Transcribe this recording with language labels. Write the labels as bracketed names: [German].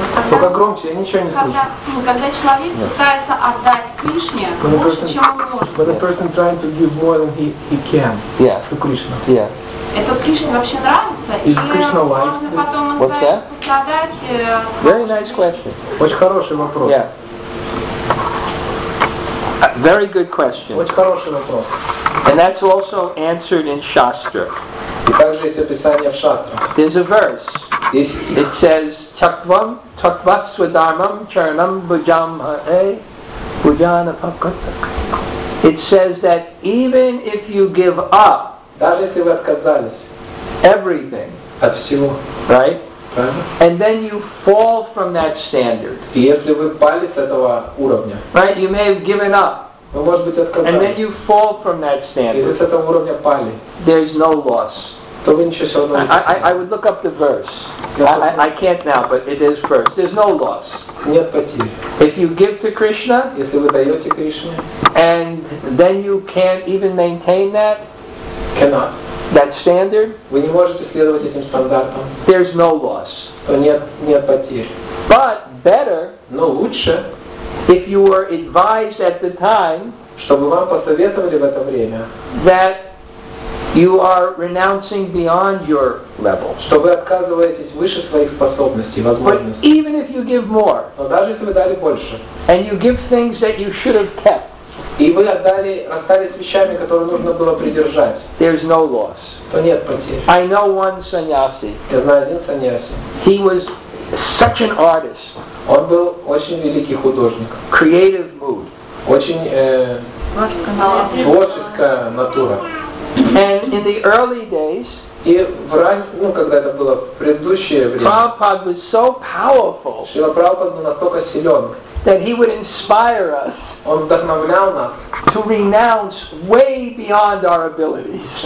[Russian] Только громче, я ничего не слышу. Когда человек пытается отдать Кришне больше, чем он может. [English] When a person trying to give more than he can to Krishna. Yeah. [Russian] Это Кришне вообще нравится? [English] Is Krishna like this? What's that? Very nice question. [Russian] Очень хороший вопрос. [English] Yeah. A very good question. [Russian] Очень хороший вопрос. [English] And that's also answered in Shastra. [Russian] И также есть описание в Шастре. There's a verse. It says, Chaktvam, Chaktvasvadharmam, Charanam, Bhujam, Hae, Bhujana, Pakatak. [English] It says that even if you give up everything, [Russian] от всего, [English] right? And then you fall from that standard. [Russian] Если вы пали с этого уровня, [English] right? You may have given up. [Russian] Вы, может быть, отказались. [English] And then you fall from that standard. [Russian] И вы с этого уровня пали. [English] There's no loss. [Russian] То вы ничего все равно не потеряете. [English] I would look up the verse. I can't now, but it is verse. There's no loss. [Russian] Нет потерь. [English] If you give to Krishna, [Russian] если вы даете Кришне, [English] and then you can't even maintain that, cannot. That standard, [Russian] вы не можете следовать этим стандартам. [English] There's no loss. [Russian] То нет потерь. [English] But better, [Russian] но лучше, [English] if you were advised at the time, [Russian] чтобы вам посоветовали в это время, [English] that you are renouncing beyond your level. [Russian] Что вы отказываетесь выше своих способностей, возможностей. [English] But even if you give more, [Russian] но даже если вы дали больше, [English] and you give things that you should have kept, [Russian] И вы отдали, расстались вещами, которые нужно было придержать. [English] There's no loss. [Russian] То нет потерь. [English] I know one sannyasi. [Russian] Я знаю один sannyasi. [English] He was such an artist. [Russian] Он был очень великий художник. [English] Creative mood. [Russian] Очень творческая натура. [English] And in the early days. [Russian] И в ну когда это было предыдущее время. [English] Prabhupada was so powerful. [Russian] Шрила Прабхупада был настолько силен. [English] That he would inspire us to renounce way beyond our abilities.